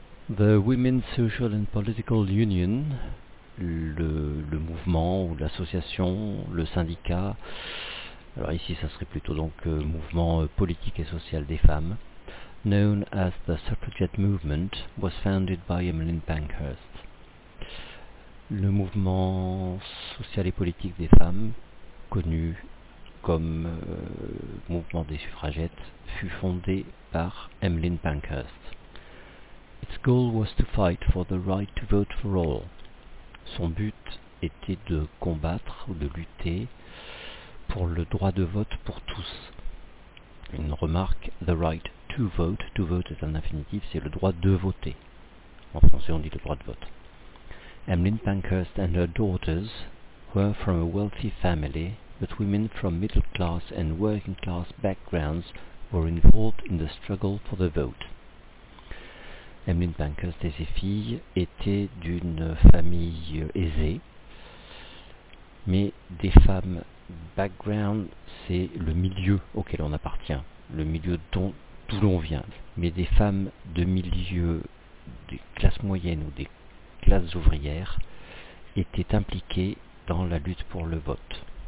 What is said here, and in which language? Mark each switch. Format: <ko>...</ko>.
<fr>The Women's Social and Political Union, le mouvement ou l'association, le syndicat, alors ici ça serait plutôt donc mouvement politique et social des femmes,</fr> <en>known as the Suffragette Movement, was founded by Emmeline Pankhurst.</en> <fr>Le mouvement social et politique des femmes, connu comme mouvement des suffragettes, fut fondé par Emmeline Pankhurst.</fr> <en>Its goal was to fight for the right to vote for all.</en> <fr>Son but était de combattre ou de lutter pour le droit de vote pour tous. Une remarque,</fr> <en>the right to vote</en> <fr>est un infinitif, c'est le droit de voter. En français, on dit le droit de vote.</fr> <en>Emmeline Pankhurst and her daughters were from a wealthy family, but women from middle class and working class backgrounds were involved in the struggle for the vote.</en> <fr>Emmeline Pankhurst et ses filles étaient d'une famille aisée, mais des femmes background, c'est le milieu auquel on appartient, le milieu d'où l'on vient. Mais des femmes de milieu, des classes moyennes ou des classes ouvrières, étaient impliquées dans la lutte pour le vote.</fr>